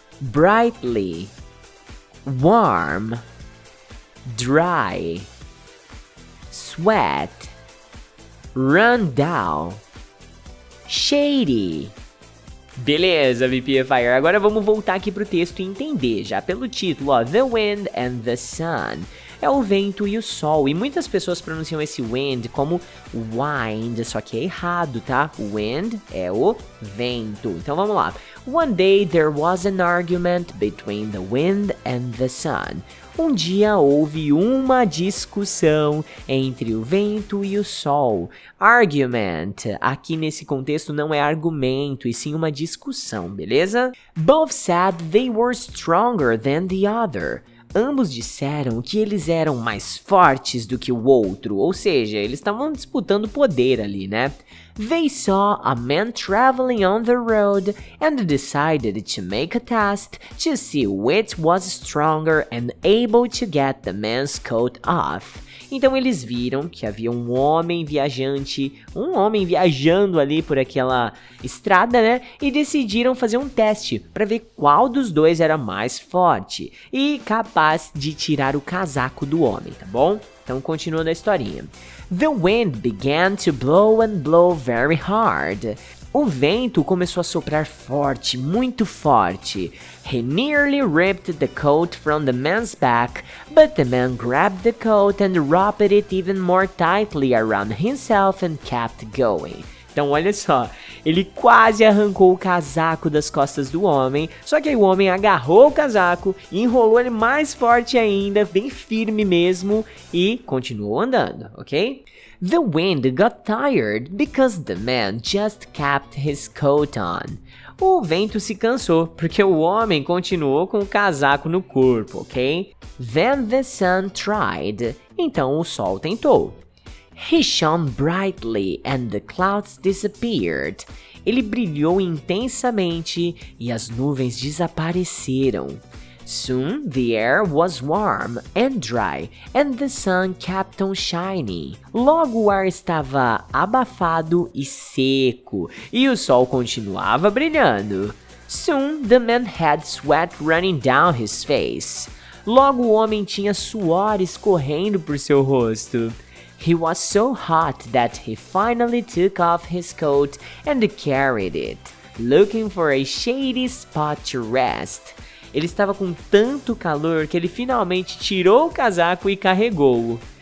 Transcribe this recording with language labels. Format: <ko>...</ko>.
<en>brightly, warm, dry, sweat, run down, shady.</en> <pt>Beleza, VPFire, agora vamos voltar aqui pro texto e entender já pelo título, ó, The Wind and the Sun. É o vento e o sol, e muitas pessoas pronunciam esse wind como wind, só que é errado, tá? Wind é o vento. Então vamos lá.</pt> <en>One day there was an argument between the wind and the sun.</en> <pt>Um dia houve uma discussão entre o vento e o sol. Argument, aqui nesse contexto não é argumento, e sim uma discussão, beleza?</pt> <en>Both said they were stronger than the other.</en> <pt>Ambos disseram que eles eram mais fortes do que o outro, ou seja, eles estavam disputando poder ali, né?</pt> <en>They saw a man traveling on the road and decided to make a test to see which was stronger and able to get the man's coat off.</en> <pt>Então eles viram que havia um homem viajando ali por aquela estrada, né? E decidiram fazer um teste para ver qual dos dois era mais forte e capaz de tirar o casaco do homem, tá bom? Então continuando a historinha.</pt> <en>The wind began to blow and blow very hard.</en> <pt>O vento começou a soprar forte, muito forte.</pt> <en>He nearly ripped the coat from the man's back, but the man grabbed the coat and wrapped it even more tightly around himself and kept going.</en> <pt>Então olha só, ele quase arrancou o casaco das costas do homem, só que aí o homem agarrou o casaco, enrolou ele mais forte ainda, bem firme mesmo, e continuou andando, ok?</pt> <en>The wind got tired because the man just kept his coat on.</en> <pt>o vento se cansou, porque o homem continuou com o casaco no corpo, ok?</pt> <en>Then the sun tried.</en> <pt>Então o sol tentou.</pt> <en>He shone brightly and the clouds disappeared.</en> <pt>Ele brilhou intensamente e as nuvens desapareceram.</pt> <en>Soon the air was warm and dry and the sun kept on shining.</en> <pt>Logo o ar estava abafado e seco e o sol continuava brilhando.</pt> <en>Soon the man had sweat running down his face.</en> <pt>Logo o homem tinha suor escorrendo por seu rosto.</pt> <en>He was so hot that he finally took off his coat and carried it, looking for a shady spot to rest.</en> <pt>Ele estava com tanto calor que ele finalmente tirou o casaco e carregou-o.</pt>